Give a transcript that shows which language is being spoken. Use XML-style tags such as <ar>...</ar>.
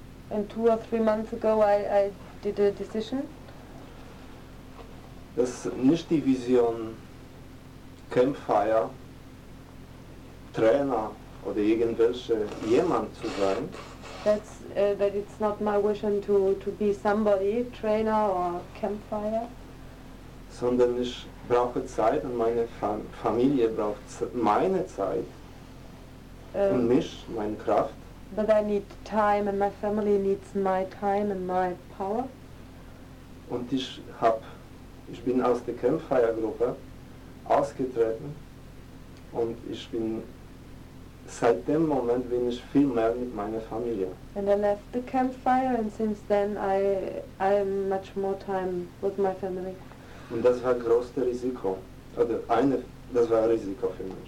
<en>And 2 or 3 months ago I did a decision.</en> <de>Dass nicht die Vision Campfire Trainer oder irgendwelche jemand zu sein.</de> <en>That's that it's not my wish to be somebody, trainer or campfire.</en> <de>Sondern ich brauche Zeit und meine Familie braucht meine Zeit und mich, meine Kraft.</de> <en>But I need time and my family needs my time and my power.</en> <de>Und ich bin aus der Campfire-Gruppe ausgetreten und ich bin seit dem Moment bin ich viel mehr mit meiner Familie.</de> <en>And I left the campfire and since then I am much more time with my family.</en> <de>Und das war größte Risiko. Oder eine, das war ein Risiko für mich.</de>